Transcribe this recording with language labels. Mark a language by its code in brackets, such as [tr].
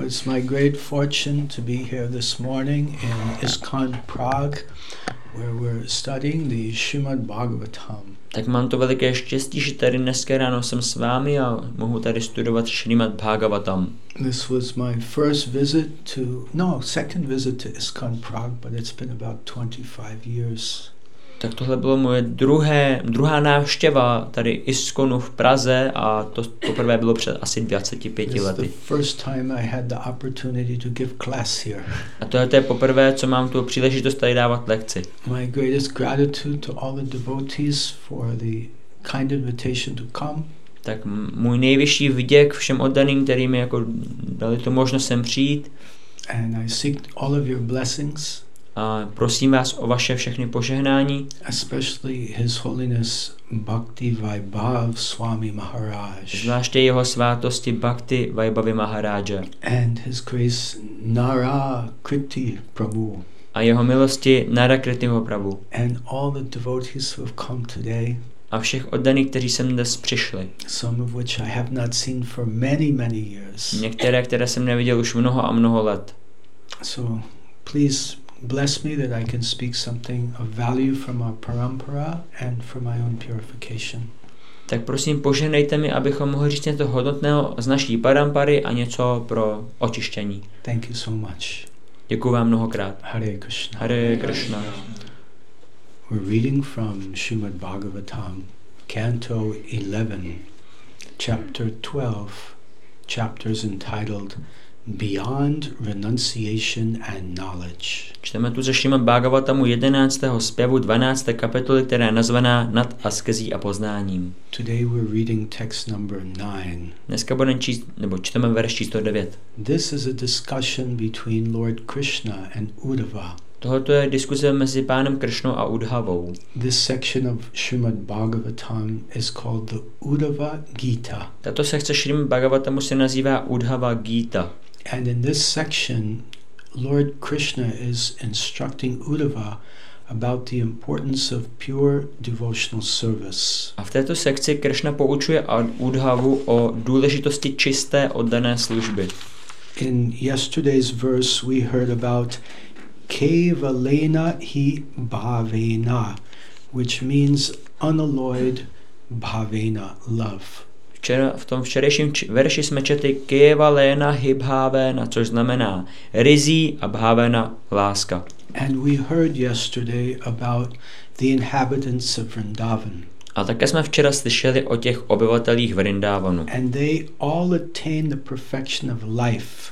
[en] it's my great fortune to be here this morning in ISKCON Prague, where we're studying the Srimad Bhagavatam. [cs] Tak mám to velké štěstí, že tady dneska ráno jsem s vámi a mohu tady studovat Srimad Bhagavatam. [en] This was my first visit to, no, second visit to ISKCON Prague, but it's been about 25 years. [cs] Tak tohle bylo moje druhá návštěva tady ISKCONu v Praze a to poprvé bylo před asi 25 lety. [en] This is the first time I had the opportunity to give class here. [cs] A to je poprvé, co mám tu příležitost tady dávat lekci. [en] My greatest gratitude to all the devotees for the kind invitation to come. [cs] Tak můj nejvyšší vděk všem oddaným, kteří mi jako dali tu možnost sem přijít. [en] And I seek all of your blessings. [cs] A prosím vás o vaše všechny požehnání. [en] Especially His Holiness Bhakti Vaibhav Swami Maharaj. [cs] Zvláště jeho svátosti Bhakti Vaibhavi Maharaja. [en] And His Grace Nara Kriti Prabhu. [cs] A jeho milosti Nara Kritiho Prabhu. [en] And all the devotees who have come today. [cs] A všech oddaných, kteří sem dnes přišli. [en] Some of which I have not seen for many, many years. [cs] Některé, které jsem neviděl už mnoho a mnoho let. [en] So, please bless me that I can speak something of value from our parampara and for my own purification. [cs] Tak prosím, požehnejte mi, abychom mohli říct něco hodnotného z naší parampary a něco pro očištění. [en] Thank you so much. [cs] Děkuji vám mnohokrát. [en] Hare Krishna. [cs] Hare Krishna. [en] We're reading from Srimad Bhagavatam, Canto 11, Chapter 12, chapters entitled Beyond Renunciation and Knowledge. [cs] Čteme tu ze Srimad Bhagavatamu 11. zpěvu 12. kapitoly, která je nazvaná Nad askezí a poznáním. [en] Today we're reading text number 9. [cs] Dneska budeme číst, nebo čteme verš číslo 9. [en] This is a discussion between Lord Krishna and Uddhava. [cs] Tohoto je diskuse mezi pánem Krishnou a Uddhavou. [en] This section of Srimad Bhagavatam is called the Uddhava Gita. [cs] Tato sekce Srimad Bhagavatamu se nazývá Uddhava Gita. [en] And in this section, Lord Krishna is instructing Uddhava about the importance of pure devotional service. [cs] A v této sekci Krishna poučuje Uddhavu o důležitosti čisté oddané služby. [en] In yesterday's verse, we heard about kevalena hi bhavena, which means unalloyed bhavena, love. [cs] V tom včerejším verši jsme četli kevalena hi bhavena, což znamená rizí a bhavena, láska. [en] And we heard yesterday about the inhabitants of Vrindavan. [cs] A také jsme včera slyšeli o těch obyvatelích Vrindavanu. [en] And they all attain the perfection of life.